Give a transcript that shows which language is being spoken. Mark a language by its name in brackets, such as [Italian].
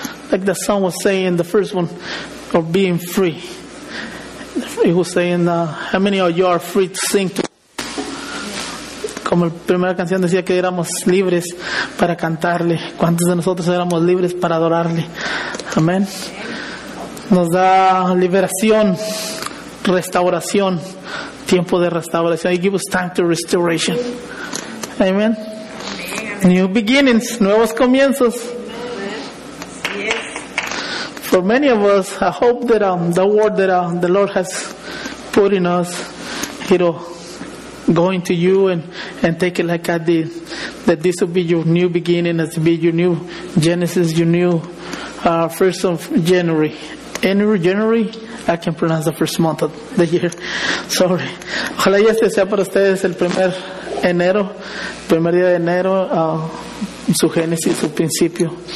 [English] like the song was saying, the first one, of being free. He was saying, how many of you are free to sing to? [Spanish] Como la primera canción decía que éramos libres para cantarle. ¿Cuántos de nosotros éramos libres para adorarle? Amén. Nos da liberación, restauración, tiempo de restauración. [English] He gives time to restoration. Amén. New beginnings, [Spanish] nuevos comienzos. [English] For many of us, I hope that the word that the Lord has put in us, it'll go into you and take it like I did. That this will be your new beginning, this will be your new Genesis, your new first of January. January, I can pronounce the first month of the year. Sorry. [Spanish] Ojalá y este sea para ustedes el primer enero, primer día de enero, su génesis, su principio.